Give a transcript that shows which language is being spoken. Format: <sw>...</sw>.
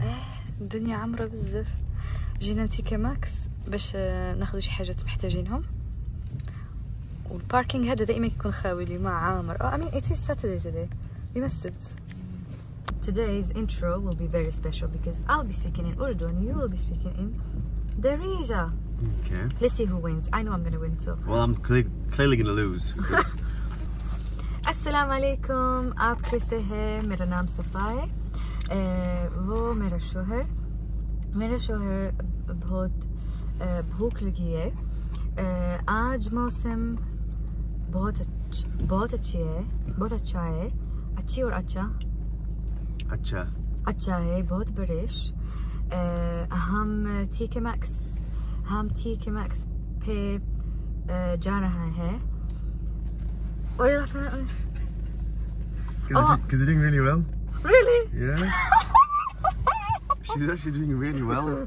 <ar>Eh, الدنيا عمرة بزاف. جينا تيكي ماكس باش ناخذ شي حاجات محتاجينهم. والباركينغ هذا دائما يكون خاوي لي ما عامر.</ar> <en>Oh, I mean it is Saturday today.</en> <ar>يوم السبت.</ar> <en>Today's intro will be very special because I'll be speaking in Urdu and you will be speaking in Darija. Okay. Let's see who wins. I know I'm going to win too. Well, I'm clearly going to lose. Because</en> <ur>السلام عليكم آپ کیسے ہیں میرا نام صفائے وہ میرا شوہر میرا شوہر بہت بھوک لگی ہے آج موسم بہت اچھی ہے بہت اچھا ہے اچھی اور اچھا اچھا ہے بہت بارش ہم ٹیکے میکس ہم ٹیکے میکس پہ جا رہا ہے اوے</ur> <en>Because you're doing really well. Really? Yeah. She's actually doing really well.</en>